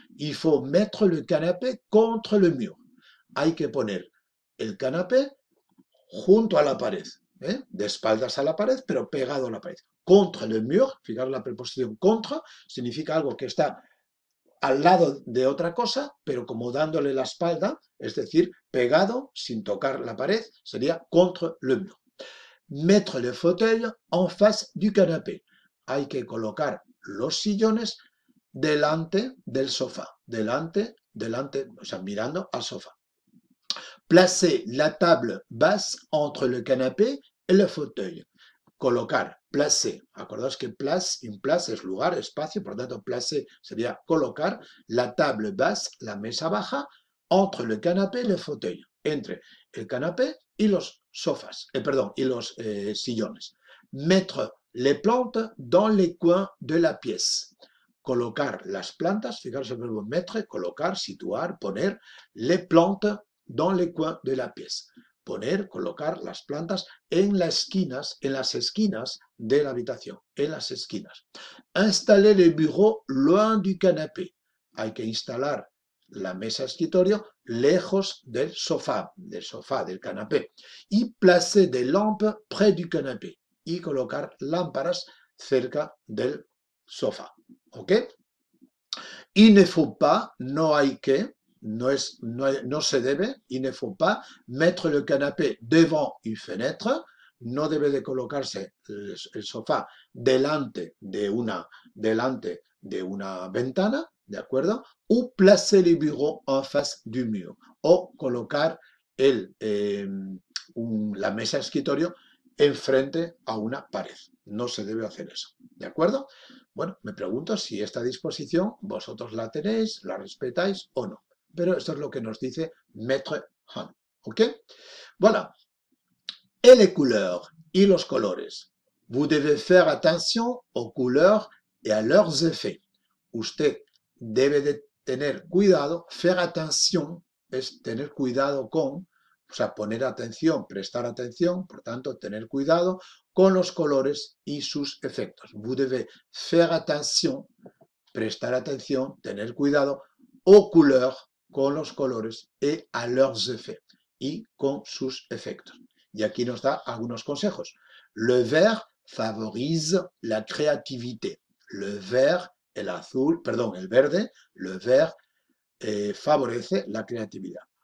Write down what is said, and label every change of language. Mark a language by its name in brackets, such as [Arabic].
[French] Il faut mettre le canapé contre le mur. [Spanish] Hay que poner el canapé junto a la pared, de espaldas a la pared, pero pegado a la pared. [French] Contre le mur, [Spanish] fijaros la preposición contre, significa algo que está al lado de otra cosa, pero como dándole la espalda, es decir, pegado sin tocar la pared, sería contre le mur. [French] Mettre le fauteuil en face du canapé. [Spanish] Hay que colocar los sillones delante del sofá, delante, o sea, mirando al sofá. [French] Placer la table basse entre le canapé et le fauteuil. [Spanish] Colocar, placer. Acordaos que place, in place es lugar, espacio, por lo tanto, placer sería colocar [French] la table basse, [Spanish] la mesa baja, [French] entre le canapé et le fauteuil. [Spanish] Entre el canapé y los sofás, sillones. [French] Mettre les plantes dans les coins de la pièce. [Spanish] Colocar las plantas, fijaros el verbo mettre, colocar, situar, poner, [French] les plantes dans les coins de la pièce. [Spanish] Poner, colocar las plantas en las esquinas de la habitación, en las esquinas. [French] Installer le bureau loin du canapé. [Spanish] Hay que instalar la mesa escritorio lejos del canapé. [French] Y placer des lampes près du canapé. [Spanish] Y colocar lámparas cerca del sofá. ¿Ok? [French] Il ne faut pas, [Spanish] no hay que, no se debe, [French] il ne faut pas mettre le canapé devant une fenêtre, [Spanish] no debe de colocarse el sofá delante de una ventana, ¿de acuerdo? [French] O placer le bureau en face du mur, [Spanish] o colocar la mesa escritorio enfrente a una pared. No se debe hacer eso. ¿De acuerdo? Bueno, me pregunto si esta disposición vosotros la tenéis, la respetáis o no. Pero esto es lo que nos dice Maître Han. ¿Ok? Voilà. [French] Et les couleurs [Spanish] y los colores. [French] Vous devez faire attention aux couleurs et à leurs effets. [Spanish] Usted debe de tener cuidado, [French] faire attention, [Spanish] es tener cuidado con. O sea, poner atención, prestar atención, por tanto, tener cuidado con los colores y sus efectos. [French] Vous devez faire attention, [Spanish] prestar atención, tener cuidado, [French] aux couleurs, [Spanish] con los colores y a [French] leurs effets, [Spanish] y con sus efectos. Y aquí nos da algunos consejos. [French] Le vert favorise la créativité. [Spanish] Le vert, el azul, perdón, el verde, [French] le vert [Spanish] favorece la creatividad.